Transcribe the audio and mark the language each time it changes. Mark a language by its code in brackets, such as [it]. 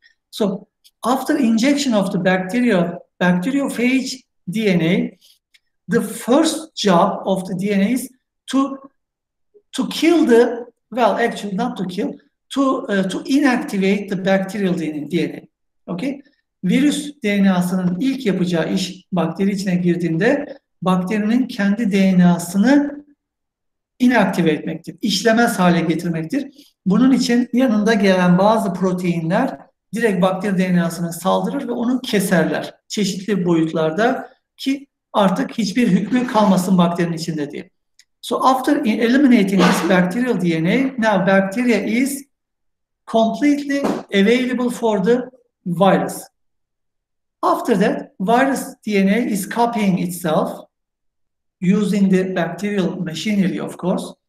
[en] So after injection of the bacteriophage DNA, the first job of the DNA is to inactivate the bacterial DNA. [tr] Okay, virüs DNA'sının ilk yapacağı iş, bakteri içine girdiğinde bakterinin kendi DNA'sını inaktive etmektir, işlemez hale getirmektir. Bunun için yanında gelen bazı proteinler direkt bakteri DNA'sına saldırır ve onu keserler çeşitli boyutlarda ki artık hiçbir hükmü kalmasın bakterinin içinde diye. [en] So after eliminating this bacterial DNA, now bacteria is completely available for the virus. After that, virus DNA is copying itself using the bacterial machinery, of course.